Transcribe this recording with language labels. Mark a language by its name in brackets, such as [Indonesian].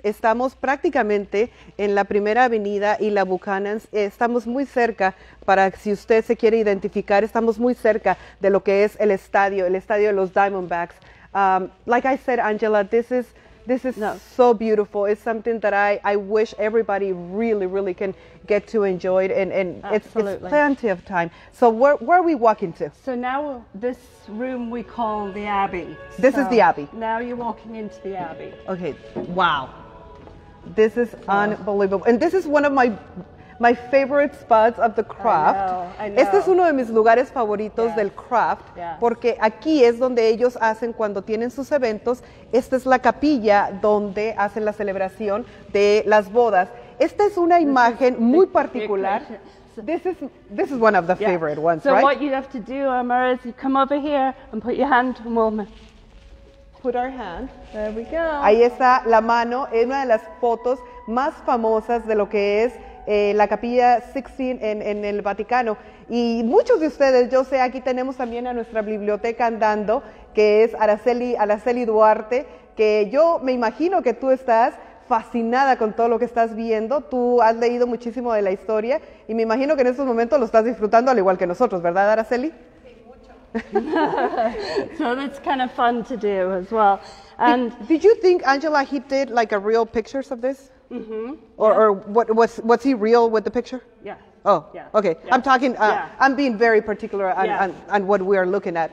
[Spanish] Estamos prácticamente en la primera avenida y la Buchanan's. Estamos muy cerca para si usted se quiere identificar. Estamos muy cerca de lo que es el estadio de los Diamondbacks. [English] Like I said, Angela, this is so beautiful. It's something that I wish everybody really, really can get to enjoy it. And it's plenty of time. So where are we walking to? So now this room we call the Abbey. This is the Abbey. Now you're walking into the Abbey. Okay. Wow. This is unbelievable. And this is one of my favorite spots of the craft. I know. [Spanish] Este es uno de mis lugares favoritos del craft, porque aquí es donde ellos hacen cuando tienen sus eventos. Esta es la capilla donde hacen la celebración de las bodas. Esta es una imagen muy particular. [English] This is one of the favorite ones, so right? So what you have to do, Amara, is you come over here and put your hand on Wilma. Put our hand. There we go. [Spanish] Ahí está la mano, es una de las fotos más famosas de lo que es la Capilla Sixtina en el Vaticano. Y muchos de ustedes, yo sé, aquí tenemos también a nuestra biblioteca andando, que es Araceli Duarte, que yo me imagino que tú estás fascinada con todo lo que estás viendo. Tú has leído muchísimo de la historia y me imagino que en estos momentos lo estás disfrutando al igual que nosotros, ¿verdad, Araceli? [English] So that's kind of fun to do as well. And did you think, Angela, he did like a real pictures of this? Mm-hmm. Or was he real with the picture? Yeah. Oh, yeah. Okay. Yeah. I'm talking, I'm being very particular on what we are looking at.